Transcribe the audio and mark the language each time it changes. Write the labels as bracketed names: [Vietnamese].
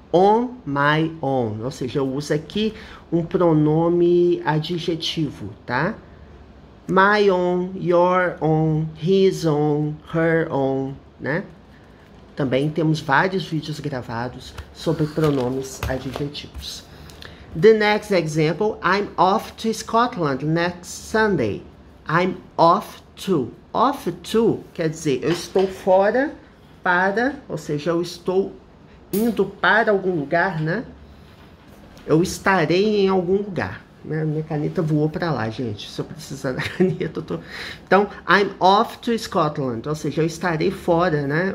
[Portuguese] On my own, ou seja, eu uso aqui um pronome adjetivo, tá? [English] My own, your own, his own, her own, né? [Portuguese] Também temos vários vídeos gravados sobre pronomes adjetivos. [English] The next example, I'm off to Scotland next Sunday. I'm off to. [Portuguese] Off to quer dizer eu estou fora para, ou seja, eu estou indo para algum lugar, né? Eu estarei em algum lugar, né? Minha caneta voou para lá, gente. Se eu precisar da caneta, eu tô. Então, [English] I'm off to Scotland, [Portuguese] ou seja, eu estarei fora, né?